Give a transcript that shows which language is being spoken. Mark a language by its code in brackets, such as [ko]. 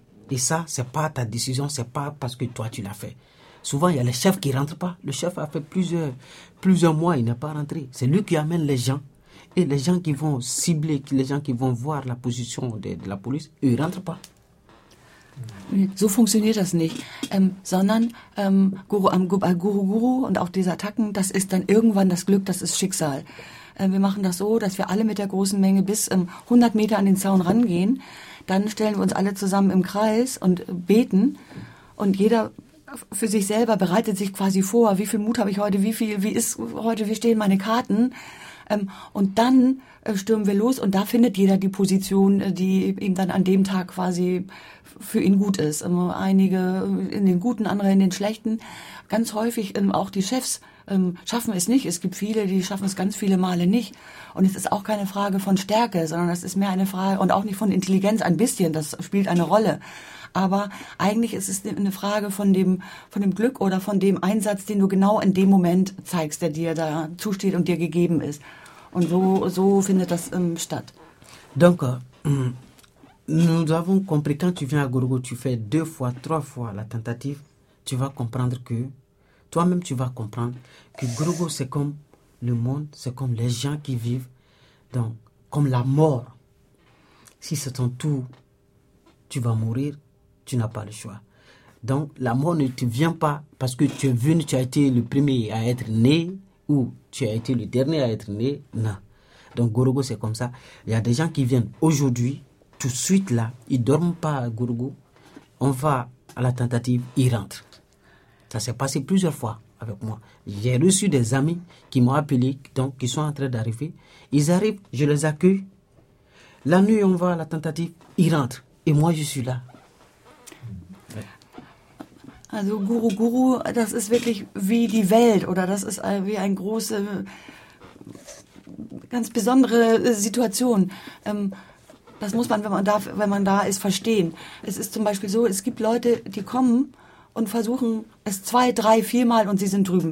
[fr] Et ça, ce n'est pas ta décision, ce n'est pas parce que toi tu l'as fait. Souvent, il y a le chef qui ne rentre pas. Le chef a fait plusieurs mois, il n'est pas rentré. C'est lui qui amène les gens. Et les gens qui vont cibler, les gens qui vont voir la position de la police, ils ne rentrent pas. [de] So funktioniert das nicht, sondern Guru Guru und auch diese Attacken, das ist dann irgendwann das Glück, das ist Schicksal. Wir machen das so, dass wir alle mit der großen Menge bis 100 Meter an den Zaun rangehen, dann stellen wir uns alle zusammen im Kreis und beten und jeder für sich selber bereitet sich quasi vor, wie viel Mut habe ich heute, wie stehen meine Karten. Und dann stürmen wir los und da findet jeder die Position, die ihm dann an dem Tag quasi für ihn gut ist. Einige in den guten, andere in den schlechten. Ganz häufig auch die Chefs schaffen es nicht. Es gibt viele, die schaffen es ganz viele Male nicht. Und es ist auch keine Frage von Stärke, sondern es ist mehr eine Frage und auch nicht von Intelligenz ein bisschen. Das spielt eine Rolle. Aber eigentlich ist es eine Frage von dem Glück oder von dem Einsatz, den du genau in dem Moment zeigst, der dir da zusteht und dir gegeben ist. Und so findet das statt. Danke. [fr] Nous avons compris, quand tu viens à Gourgou, tu fais deux fois, trois fois la tentative, tu vas comprendre que, toi-même tu vas comprendre que Gourgou c'est comme le monde, c'est comme les gens qui vivent, donc comme la mort. Si c'est ton tour, tu vas mourir, tu n'as pas le choix. Donc la mort ne te vient pas parce que tu es venu, tu as été le premier à être né ou tu as été le dernier à être né, non. Donc Gourgou c'est comme ça, il y a des gens qui viennent aujourd'hui, tout de suite là, ils ne dorment pas à Gourgou. on va à la tentative, il rentre. Ça s'est passé plusieurs fois avec moi. J'ai reçu des amis qui m'ont appelé, donc qui sont en train d'arriver. Ils arrivent, je les accueille. La nuit, on va à la tentative, ils rentrent. Et moi, je suis là. [de] Also Guru Guru, das ist wirklich wie die Welt oder das ist wie eine große, ganz besondere Situation. Das muss man, wenn man da ist, verstehen. Es ist zum Beispiel so, es gibt Leute, die kommen und versuchen es 2, 3, 4 Mal und sie sind drüben.